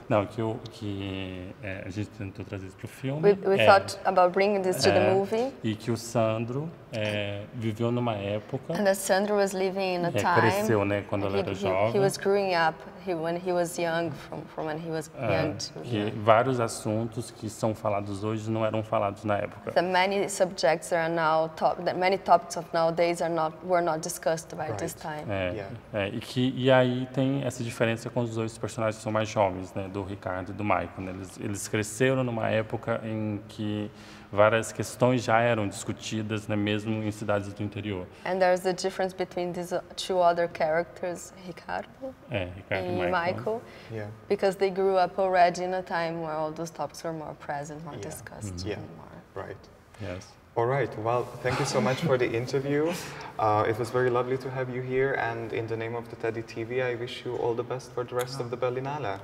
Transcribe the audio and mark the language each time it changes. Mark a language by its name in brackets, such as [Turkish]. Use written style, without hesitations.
[Portuguese] Não, que a gente tentou trazer isso para o filme. [English] We thought about bringing this to the movie. [Portuguese] E que o Sandro viveu numa época. [English] And that Sandro was living in a time. [Portuguese] Cresceu, né, quando ele era jovem. [English] He was growing up when he was young, from when he was young to. [Portuguese] Que vários assuntos que são falados hoje não eram falados na época. [English] The many subjects are now that many topics of nowadays were not discussed by this time. [Portuguese] E aí tem essa diferença com os dois personagens que são mais jovens, né, do Ricardo e do Michael. Né? Eles cresceram numa época em que várias questões já eram discutidas, né, mesmo em cidades do interior. [English] And there's a difference between these two other characters, Ricardo [Portuguese] e Michael. [English] Yeah. Because they grew up already in a time where all those topics were more present, more discussed anymore. Right. Yes. All right, well, thank you so much for the interview. It was very lovely to have you here, and in the name of the Teddy TV, I wish you all the best for the rest of the Berlinale.